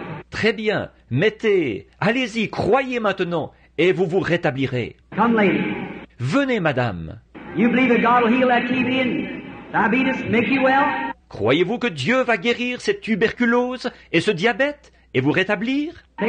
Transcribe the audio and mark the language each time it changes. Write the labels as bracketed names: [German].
[French] Très bien. Mettez, allez-y, croyez maintenant et vous vous rétablirez. [English] Come, lady. [French] Venez, madame. [English] You believe that God will heal that TB and diabetes, make you well? [French] Croyez-vous que Dieu va guérir cette tuberculose et ce diabète et vous rétablir?